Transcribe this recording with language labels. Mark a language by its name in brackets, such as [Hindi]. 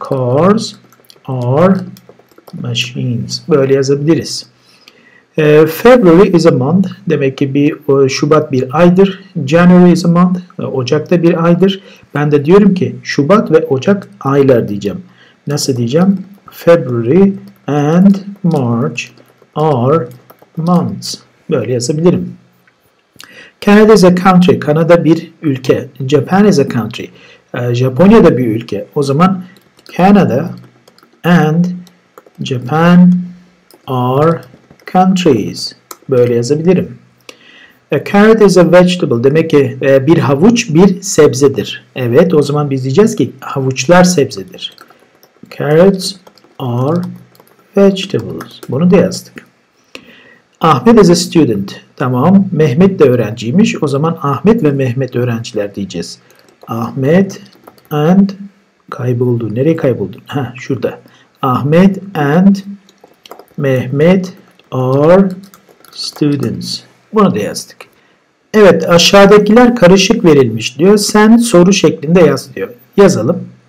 [English] Cars are machines. [Turkish] Böyle yazabiliriz. [English] February is a month. [Turkish] Demek ki bir Şubat bir aydır. [English] January is a month. [Turkish] Ocak'ta bir aydır. Ben de diyorum ki Şubat ve Ocak aylar diyeceğim. Nasıl diyeceğim? [English] February and March are months. [Turkish] Böyle yazabilirim. [English] Canada is a country. [Turkish] Kanada bir ülke. [English] Japan is a country. [Turkish] Japonya da bir ülke. O zaman [English] Canada and Japan are countries. [Turkish] Böyle yazabilirim. [English] A carrot is a vegetable. [Turkish] Demek ki bir havuç bir sebzedir. Evet, o zaman biz diyeceğiz ki havuçlar sebzedir. [English] Carrots are vegetables. [Turkish] Bunu da yazdık. Ahmet [English] is a student. [Turkish] Tamam, Mehmet de öğrenciymiş. O zaman Ahmet ve Mehmet öğrenciler diyeceğiz. Ahmet and kayboldu. Nereye kayboldu? Heh, şurada. [English] Ahmet and Mehmet are students. [Turkish] Bunu da yazdık. Evet, aşağıdakiler karışık verilmiş diyor. Sen soru şeklinde yaz diyor. Yazalım.